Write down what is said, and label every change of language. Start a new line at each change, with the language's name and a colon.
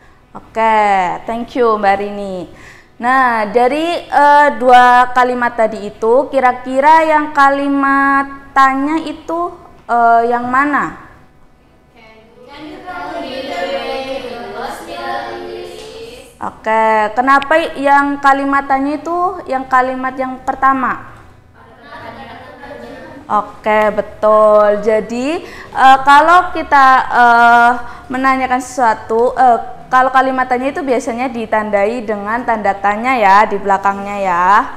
Indonesian: Oke,
English: thank you
Indonesian: Mbak Rini. Nah, dari dua kalimat tadi itu, kira-kira yang kalimat tanya itu yang mana?
English: Can you tell me the way to the hospital, please?
Indonesian: Oke, kenapa yang kalimat tanya itu yang kalimat yang pertama? Oke, betul. Jadi, kalau kita menanyakan sesuatu, kalau kalimat tanya itu biasanya ditandai dengan tanda tanya ya, di belakangnya ya.